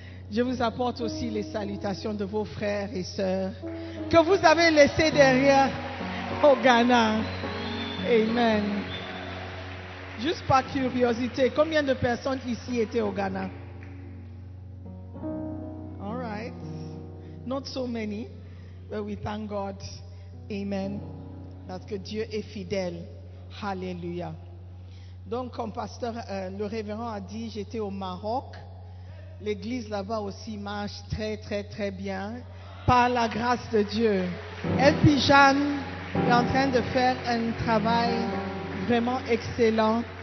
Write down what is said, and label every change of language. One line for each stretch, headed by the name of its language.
French: Je vous apporte aussi les salutations de vos frères et sœurs que vous avez laissés derrière au Ghana. Amen. Juste par curiosité, combien de personnes ici étaient au Ghana?
English: All right. Not so many, but we thank God. Amen.
French: Parce que Dieu est fidèle. Alléluia. Donc, comme pasteur, le révérend a dit, j'étais au Maroc. L'église là-bas aussi marche très, très, très bien. Par la grâce de Dieu. Elle puis Jeanne est en train de faire un travail vraiment excellent.